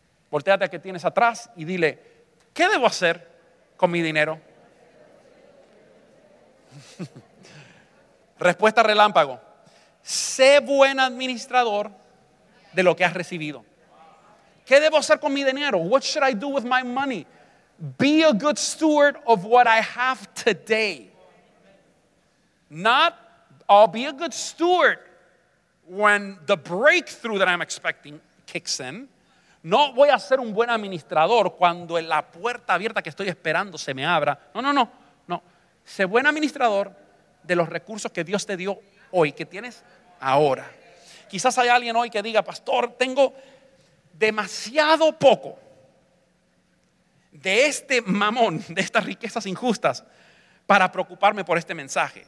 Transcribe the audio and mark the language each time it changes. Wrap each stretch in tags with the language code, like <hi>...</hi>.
<es>Voltéate a que tienes atrás y dile, ¿qué debo hacer con mi dinero? Respuesta relámpago. Sé buen administrador de lo que has recibido. ¿Qué debo hacer con mi dinero?</es> <en>What should I do with my money? Be a good steward of what I have today. Not, I'll be a good steward when the breakthrough that I'm expecting kicks in.</en> <es>No voy a ser un buen administrador cuando la puerta abierta que estoy esperando se me abra. No. Sé buen administrador de los recursos que Dios te dio hoy, que tienes ahora. Quizás hay alguien hoy que diga: pastor, tengo demasiado poco de este mamón, de estas riquezas injustas, para preocuparme por este mensaje.</es>